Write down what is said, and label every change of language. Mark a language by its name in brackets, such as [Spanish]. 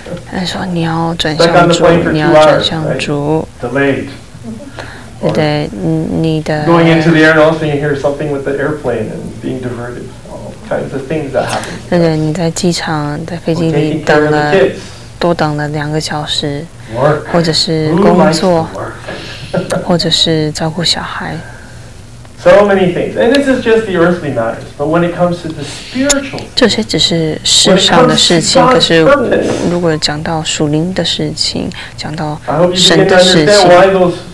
[Chinese] 他说你要转向主，你要转向主。对，你的。 [English] Going into the air, and also you hear something with the airplane and being diverted. All kinds of things that happen. [Chinese] 对，你在机场，在飞机里等了，多等了2个小时，或者是工作，或者是照顾小孩。 [English] So many things, and this is just the earthly matters. But when it comes to the spiritual, [Chinese] 这些只是世上的事情。可是，如果讲到属灵的事情，讲到神的事情。